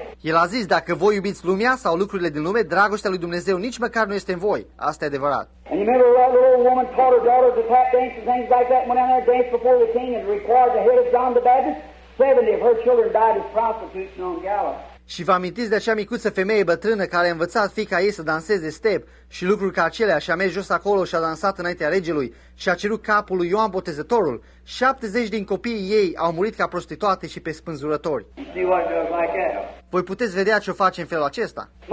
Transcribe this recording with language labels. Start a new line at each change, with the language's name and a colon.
Romanian: El a zis, dacă voi iubiți lumea sau lucrurile din lume, dragostea lui Dumnezeu nici măcar nu este în voi. Asta e adevărat.
English: And you remember that little woman taught her daughter to tap dance and things like that, went out there and danced before the king and required the head of John the Baptist? 70 of her children died as prostitutes on gallows.
Romanian: Și vă amintiți de acea micuță femeie bătrână care a învățat fiica ei să danseze step și lucruri ca acelea și a mers jos acolo și a dansat înaintea regelui și a cerut capul lui Ioan Botezătorul. 70 din copiii ei au murit ca prostituate și pe spânzurători. Voi puteți vedea ce o face în felul acesta.